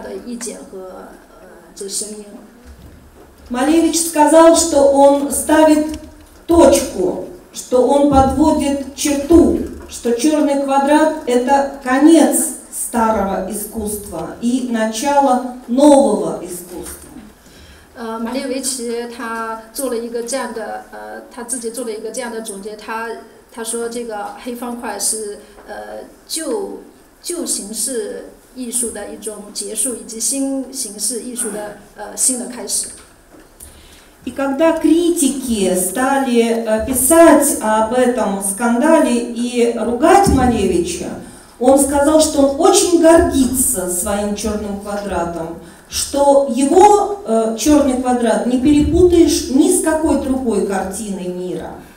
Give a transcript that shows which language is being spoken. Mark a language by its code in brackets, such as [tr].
[zh] 那个，因为我们知道，在刚才我们可以前面可以看到，就是康恰洛娃的圣像画啊，这个也可以说是对康恰洛娃圣像画的一种，就是一种反对的，就是一种不一样的意见和声音。 [ru] Малевич сказал, что он ставит точку, что он подводит черту, что черный квадрат – это конец старого искусства и начало нового искусства. [zh] 马列维奇他做了一个这样的总结，他说这个黑方块是旧形式艺术的一种结束，以及新形式艺术的新的开始。 [ru] И когда критики стали писать об этом скандале и ругать Малевича, он сказал, что он очень гордится своим черным квадратом, что его черный квадрат не перепутаешь ни с какой другой картиной мира.